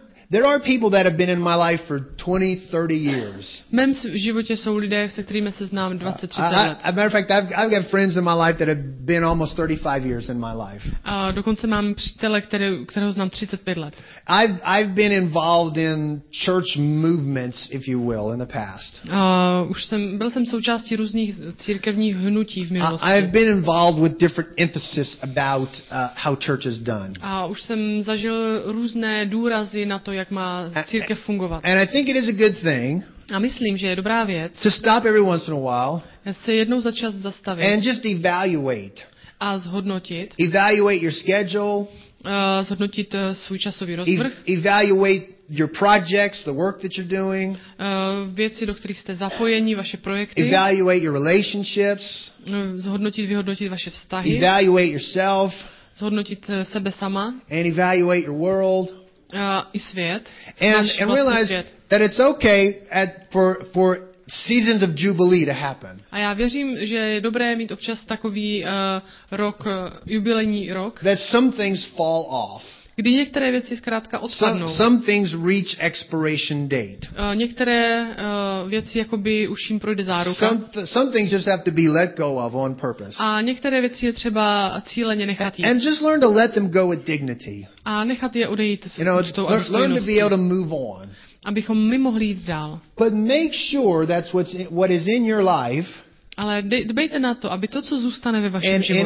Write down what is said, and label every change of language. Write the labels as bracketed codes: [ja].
[en] There are people that have been in my life for 20, 30 years. [cs] V mém životě jsou lidé, se kterými se znám 20, 30 let. [en] As a matter of fact, I've got friends in my life that have been almost 35 years in my life. [cs] A dokonce mám přítele, kterého znám 35 let. [en] I've been involved in church movements, if you will, in the past. [cs] Byl jsem součástí různých církevních hnutí v minulosti. [en] I've been involved with different emphasis about how church is done. [cs] A už jsem zažil různé důrazy na to, jak má církev fungovat. [en] And I think it is a good thing. [cs] A myslím, že je dobrá věc. [en] To stop every once in a while. [cs] Se jednou za čas zastavit. [en] And just evaluate. [cs] A zhodnotit. [en] Evaluate your schedule. [cs] Zhodnotit svůj časový rozvrh. [en] Evaluate your projects, the work that you're doing. [cs] Věci, do kterých jste zapojeni, vaše projekty. [en] Evaluate your relationships. [cs] Vyhodnotit vaše vztahy. [en] Evaluate yourself. [cs] Zhodnotit sebe sama. [en] And evaluate your world. [cs] I svět, [en] and realize [cs] svět. [en] That it's okay for seasons of jubilee to happen. [cs] A já věřím, že je dobré mít občas takový rok jubilejní rok. [en] That some things fall off. [cs] Kdy některé věci zkrátka odpadnou. [en] Some things reach expiration date. [cs] Některé věci jakoby už jim projde záruka. [en] Some things just have to be let go of on purpose. [cs] A některé věci je třeba cíleně nechat jít. [en] And just learn to let them go with dignity. [cs] A nechat je odejít s určitou důstojností. [en] Learn to be able to move on. [cs] Abychom my mohli jít dál. [en] But make sure that's what is in your life. [cs] Ale dbejte na to, aby to, co zůstane ve vašem životě.